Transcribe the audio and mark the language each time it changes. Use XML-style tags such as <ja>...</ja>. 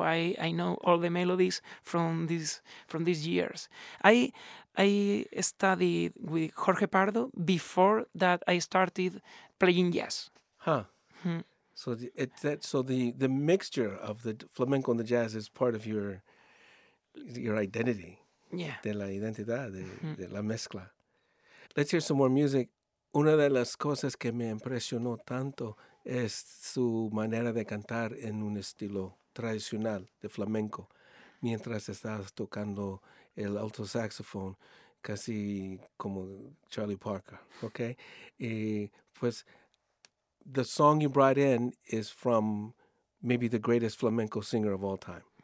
<en>I know all the melodies from these years. I studied with Jorge Pardo before that I started playing jazz. Huh. So the mixture of the flamenco and the jazz is part of your identity. Yeah.</en> <es>De la identidad, de la mezcla.</es> <en>Let's hear some more music.</en> <es>Una de las cosas que me impresionó tanto es su manera de cantar en un estilo tradicional de flamenco, mientras estás tocando el alto saxophone, casi como Charlie Parker, okay? Y pues...</es> <en>The song you brought in is from maybe the greatest flamenco singer of all time.</en>